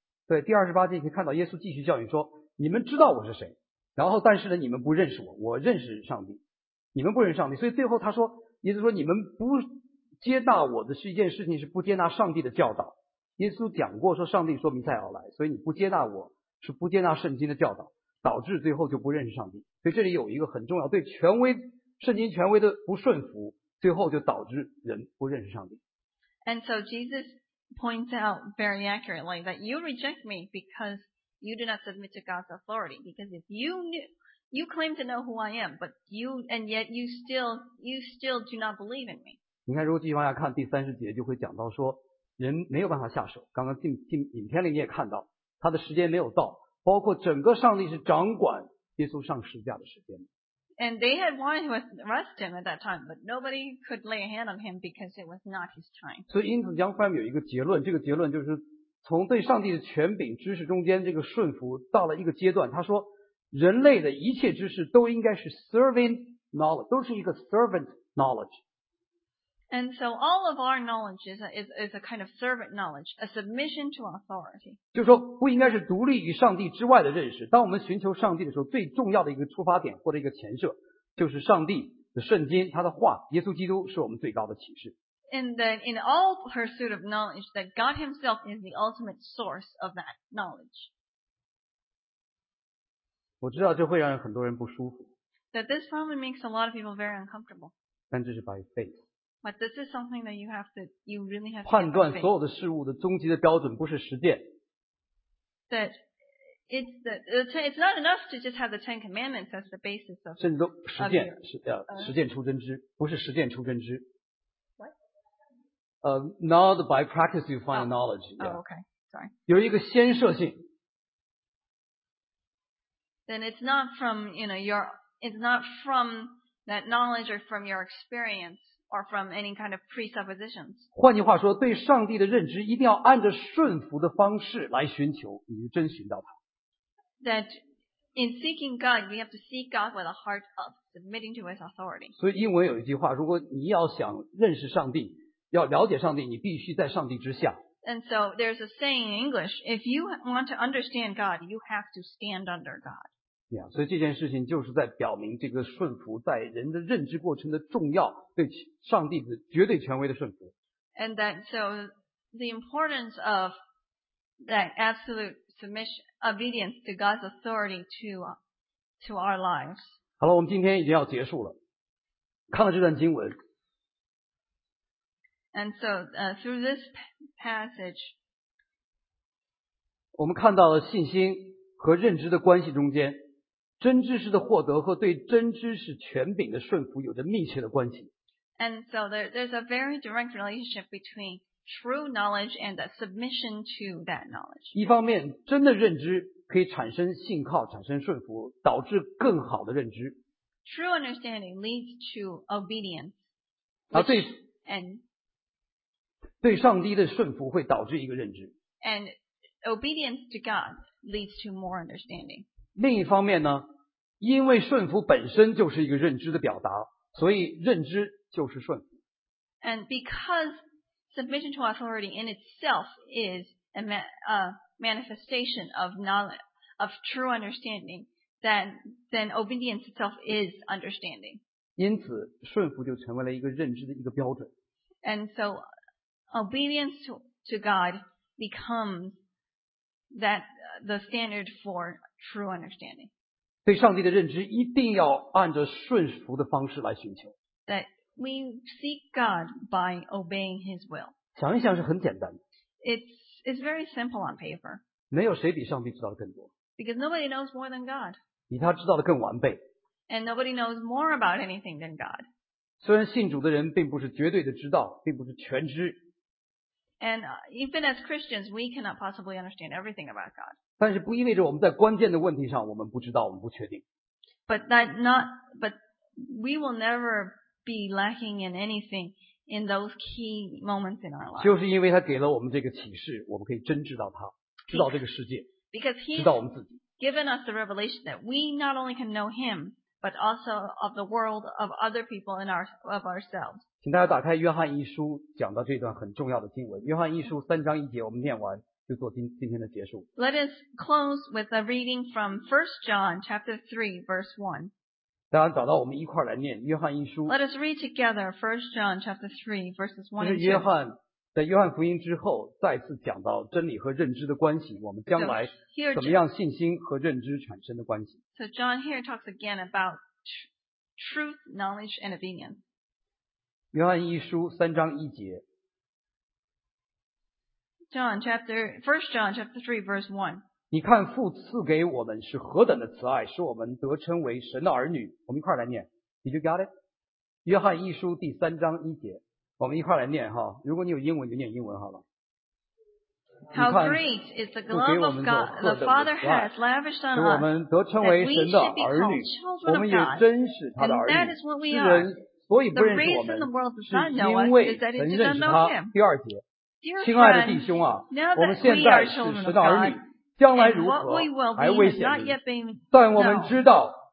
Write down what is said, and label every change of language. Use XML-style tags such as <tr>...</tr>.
<zh>对，第二十八节可以看到耶稣继续教训说，你们知道我是谁，然后但是呢，你们不认识我，我认识上帝，你们不认识上帝，所以最后他说，耶稣说你们不接纳我的是一件事情，是不接纳上帝的教导。耶稣讲过说上帝说弥赛亚来，所以你不接纳我是不接纳圣经的教导，导致最后就不认识上帝。所以这里有一个很重要，对权威圣经权威的不顺服，最后就导致人不认识上帝。</zh> <en>And so Jesus points out very accurately that you reject me because you do not submit to God's authority. Because if you knew, you claim to know who I am, but you, and yet you still do not believe in me.</en> <zh>你看，如果继续往下看第三十节，就会讲到说，人没有办法下手。刚刚进影片里你也看到，他的时间没有到，包括整个上帝是掌管耶稣上十字架的时间。</zh> <en>And they had wanted to arrest him at that time, but nobody could lay a hand on him because it was not his time.</en> <zh>所以因此杨帆有一个结论，这个结论就是从对上帝的权柄知识中间这个顺服到了一个阶段，他说人类的一切知识都应该是</zh> <en>servant knowledge,</en> <zh>都是一个 servant knowledge.</zh> <en>And so all of our knowledge is a kind of servant knowledge, a submission to authority.</en> <zh>就是说不应该是独立于上帝之外的认识，当我们寻求上帝的时候，最重要的一个出发点或者一个前设就是上帝的圣经，他的话，耶稣基督是我们最高的启示。</zh> <en>And that in all pursuit of knowledge, that God himself is the ultimate source of that knowledge.</en> <zh>我知道这会让很多人不舒服。</zh> <en>That this probably makes a lot of people very uncomfortable.</en> <zh>但这是</zh> <en>by faith. But this is something that you have to, you really have to.</en> <zh>判断所有的事物的终极的标准不是实践。</zh> <en>That it's not enough to just have the Ten Commandments as the basis of.</en> <zh>甚至都实践实践出真知，不是实践出真知。</zh> <en>What? Not by practice you find knowledge. Oh, okay, sorry.</en> <zh>有一个先设性。</zh> <en>Then it's not from it's not from that knowledge or from your experience. Or from any kind of presuppositions.</en> <zh>换句话说，对上帝的认知一定要按着顺服的方式来寻求，你就真寻到他。</zh> <en>That in seeking God, we have to seek God with a heart of submitting to His authority.</en> <zh>所以英文有一句话，如果你要想认识上帝，要了解上帝，你必须在上帝之下。</zh> <en>And so there's a saying in English: If you want to understand God, you have to stand under God.</en> <zh>Yeah, 所以这件事情就是在表明这个顺服在人的认知过程的重要。对上帝的绝对权威的顺服。</zh> <en>And that, so the importance of that absolute submission, obedience to God's authority to our lives.</en> <zh>好了，我们今天已经要结束了。看了这段经文。</zh> <en>And so, through this passage,</en> <zh>我们看到了信心和认知的关系中间，真知识的获得和对真知识权柄的顺服有着密切的关系。</zh> <en>And so there's a very direct relationship between true knowledge and the submission to that knowledge.</en> <zh>一方面，真的认知可以产生信靠，产生顺服，导致更好的认知。</zh> <en>True understanding leads to obedience.</en> <zh>啊，对。</zh> <en>And</en> <zh>对上帝的顺服会导致一个认知。</zh> <en>And obedience to God leads to more understanding.</en> <zh>另一方面呢，因为顺服本身就是一个认知的表达，所以认知就是顺服。</zh> <en>And because submission to authority in itself is a manifestation of knowledge, of true understanding, then obedience itself is understanding.</en> <zh>因此，顺服就成为了一个认知的一个标准。</zh> <en>And so obedience to God becomes that the standard for true understanding.</en> <zh>对上帝的认知一定要按着顺服的方式来寻求。</zh> <en>That we seek God by obeying His will.</en> <zh>想一想是很简单的。</zh> <en>It's very simple on paper.</en> <zh>没有谁比上帝知道的更多。</zh> <en>Because nobody knows more than God.</en> <zh>比他知道的更完备。</zh> <en>And nobody knows more about anything than God.</en> <zh>虽然信主的人并不是绝对的知道，并不是全知。</zh> <en>And even as Christians, we cannot possibly understand everything about God.</en> <zh>但是不意味着我们在关键的问题上我们不知道，我们不确定。</zh> <en>But we will never be lacking in anything in those key moments in our life.</en> <zh>就是因为他给了我们这个启示，我们可以真知道他，知道这个世界。</zh> <en>Because he has given us the revelation that we not only can know him, but also of the world of other people and of ourselves.</en> <zh>请大家打开约翰一书，讲到这段很重要的经文。约翰一书三章一节，我们念完就做今天的结束。</zh> <en>Let us close with a reading from 1 John chapter 3 verse 1.</en> <zh>大家找到我们一块来念约翰一书。</zh> <en>Let us read together 1 John chapter 3 verses 1 and 2.</en> <zh>这是约翰在约翰福音之后再次讲到真理和认知的关系，我们将来怎么样信心和认知产生的关系。</zh> <en>So John here talks again about truth, knowledge, and obedience.</en> <zh>约翰一书三章一节。</zh> <en>1 John chapter 3 verse 1.</en> <zh>你看父赐给我们是何等的慈爱，使我们得称为神的儿女。我们一块来念。</zh> <en>Did you got it?</en> <zh>约翰一书第三章一节。我们一块来念哈，如果你有英文就念英文好了。</zh> <en>How great is the love of God the Father has lavished on us,</en> <zh>使我们得称为神的儿女，我们也真是他的儿女。世人所以不认识我们，是因为曾认识他。第二节，亲爱的弟兄啊，我们现在是神的儿女，将来如何还未显明，但我们知道</zh>